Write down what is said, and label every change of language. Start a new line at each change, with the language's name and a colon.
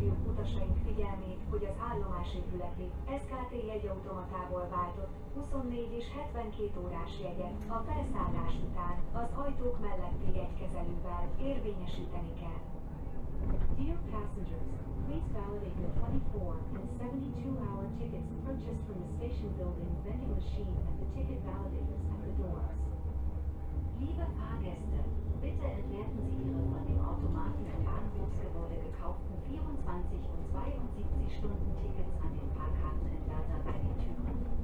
Hungarian: utasaink figyelmét, hogy az állomás épületi SKT jegyautomatából váltott 24 és 72 órás jegyet a felszállás után az ajtók melletti jegykezelővel érvényesíteni kell.
English: Dear passengers, please validate your 24 and 72-hour tickets purchased from the station building vending machine at the ticket validators at the doors.
German: Liebe Fahrgäste, bitte entwerten Sie Ihre von dem Automaten im Bahnhofsgebäude gekauften 24 und 72 Stunden Tickets an den Fahrkartenentwerter bei den Türen.